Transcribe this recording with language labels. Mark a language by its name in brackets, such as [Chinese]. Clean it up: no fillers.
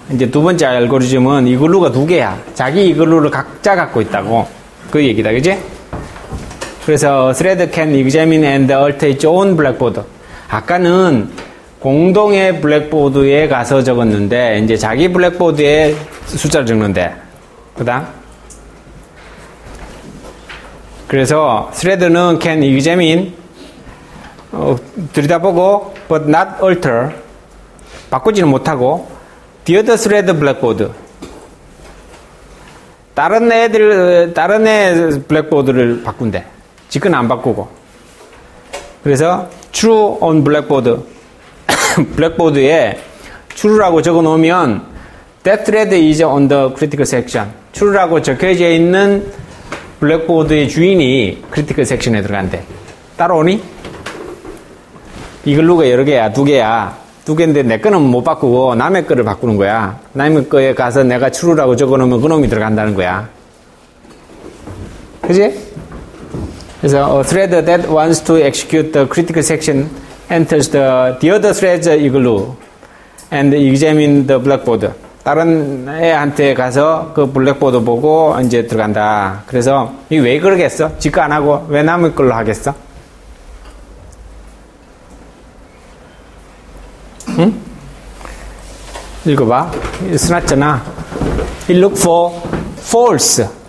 [Korean] 이제 두 번째 알고리즘은 이글루가 두 개야. 자기 이글루를 각자 갖고 있다고. 그 얘기다, 그지? 그래서 [English] thread can examine and alter its own blackboard. [Korean] 아까는 공동의 블랙보드에 가서 적었는데, 이제 자기 블랙보드에 숫자를 적는데. 그 다음? 그래서 thread는 [English] can examine, [Korean] 들여다보고, [English] but not alter, [Korean] 바꾸지는 못하고, [English] the other thread blackboard, [Korean] 다른 애들, 다른 애 blackboard를 바꾼대. 지금 안 바꾸고. 그래서 [English] true on blackboard, [Korean] blackboard에 true라고 적어놓으면 [English] that thread is on the critical section, [Korean] true라고 적혀져 있는 블랙보드의 주인이 크리티컬 섹션에 들어간대. 따라오니? 이글루가 여러 개야, 두 개야. 두 개인데 내 거는 못 바꾸고 남의 거를 바꾸는 거야. 남의 거에 가서 내가 추루라고 적어놓으면 그 놈이 들어간다는 거야. 그지? 그래서 [English] a thread that wants to execute the critical section enters the other thread igloo and examine the blackboard. [Korean] 다른 애한테 가서 그 블랙보드 보고 이제 들어간다. 그래서 이게 왜 그러겠어? 지 거 안 하고 왜 남의 걸로 하겠어? 응? 읽어봐. 써놨잖아. [English] It looks for false.